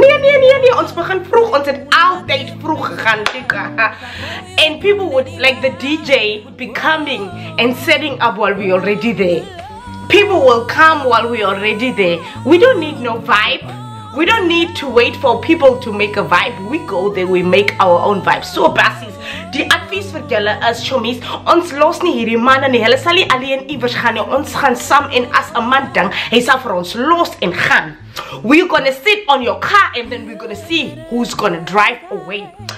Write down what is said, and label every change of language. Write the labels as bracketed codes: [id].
[af] Nee, ons begin vroeg, ons het altyd vroeg gegaan. [en] And people would, like the DJ, would be coming and setting up while we already there. People will come while we already there. We don't need no vibe. We don't need to wait for people to make a vibe. We go there, we make our own vibe. [af] So basis, die advies vir julle is, chommies, ons los nie hierdie manne nie. Hulle sal nie alleen iewers gaan nie. Ons gaan saam en as 'n man ding, hy sal vir ons los en gaan. [en] We're gonna sit on your car and then we're gonna see who's gonna drive away.